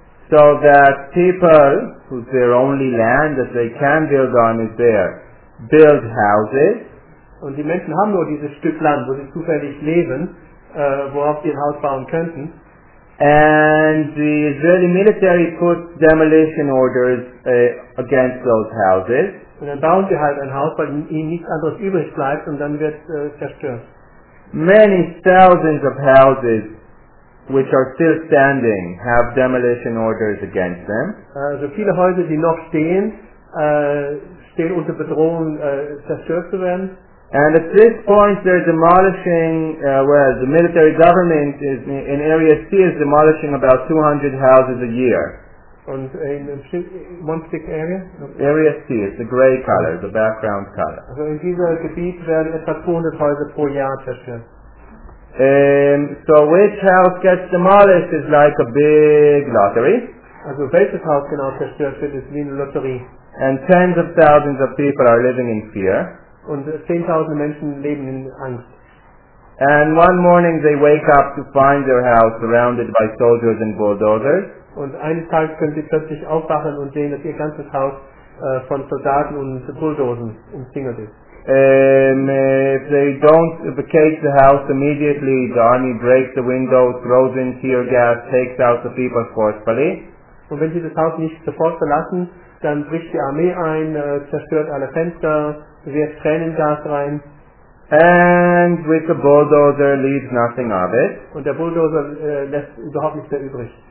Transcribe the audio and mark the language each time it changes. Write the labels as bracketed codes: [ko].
[en] So that people, whose their only land that they can build on is there, build houses. [de] Und die Menschen haben nur dieses Stück Land, wo sie zufällig leben, worauf sie ein Haus bauen könnten. [en] And the Israeli military puts demolition orders against those houses. [de] Und dann bauen sie halt ein Haus, weil ihnen nichts anderes übrig bleibt und dann wird es zerstört. [en] Many thousands of houses which are still standing have demolition orders against them. [de] Also viele Häuser, die noch stehen, stehen unter Bedrohung, zerstört zu werden. [en] And at this point they're demolishing, the military government is in Area C is demolishing about 200 houses a year. Und in one stick area? Area C is the gray color, the background color. [de] Also in dieser Gebiet werden etwa 200 Häuser pro Jahr zerstört. [en] So which house gets demolished is like a big lottery. [de] Also welches Haus genau zerstört wird, ist wie eine Lotterie. [en] And tens of thousands of people are living in fear. [de] Und 10,000 Menschen leben in Angst. [en] And one morning they wake up to find their house surrounded by soldiers and bulldozers. [de] Und eines Tages können sie plötzlich aufwachen und sehen, dass ihr ganzes Haus von Soldaten und Bulldozern umzingelt ist. [en] If they don't vacate the house immediately, the army breaks the window, throws in tear gas, takes out the people forcefully. [de] Und wenn sie das Haus nicht sofort verlassen, dann bricht die Armee ein, zerstört alle Fenster, wirft Tränengas rein. [en] And with the bulldozer leaves nothing of it. [de] Und der Bulldozer lässt überhaupt nichts mehr übrig.